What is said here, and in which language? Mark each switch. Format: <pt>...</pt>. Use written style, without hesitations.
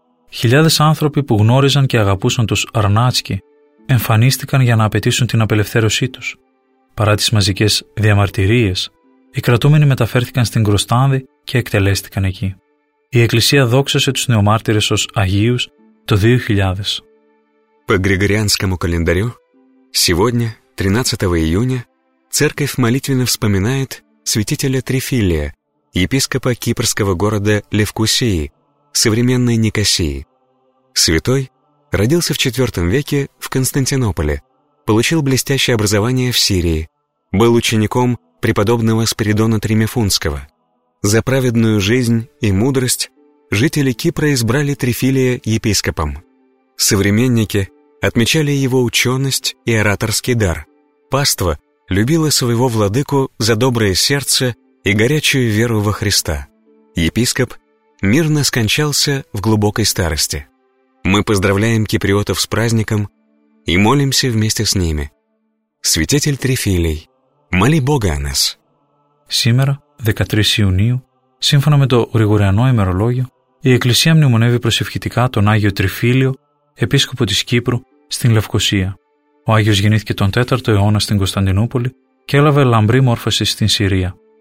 <el>Χιλιάδες άνθρωποι που γνώριζαν και αγαπούσαν τους Αρνάτσκι εμφανίστηκαν για να απαιτήσουν την απελευθέρωσή τους. Παρά τις μαζικές διαμαρτυρίες, οι κρατούμενοι μεταφέρθηκαν στην Κροστάνδη και εκτελέστηκαν εκεί. Η Εκκλησία δόξασε τους νεομάρτυρες ως Αγίους το 2000.</el> <ru>По Григорианскому календарю, сегодня, 13 июня, Церковь молитвенно вспоминает святителя Трифилия, епископа кипрского города Левкусии, современной Никосии. Святой родился в IV веке в Константинополе, получил блестящее образование в Сирии, был учеником преподобного Спиридона Тримифунского. За праведную жизнь и мудрость жители Кипра избрали Трифилия епископом. Современники отмечали его ученость и ораторский дар. Паства любила своего владыку за доброе сердце и горячую веру во Христа. Епископ мирно скончался в глубокой старости. Мы поздравляем киприотов с праздником и молимся вместе с ними. Святитель Трифилий, моли Бога о нас. Сегодня, 13 июня,</ru> <el>σύμφωνα με το Γρηγοριανό ημερολόγιο, η Εκκλησία μνημονεύει προσευχητικά τον Άγιο Τριφίλιο, επίσκοπο της Κύπρου, στην Λευκοσία. Ο Άγιος γεννήθηκε τον 4ο αιώνα στην Κωνσταντινούπολη και έλαβε λαμπρή μόρφωση στην Συρία.</el>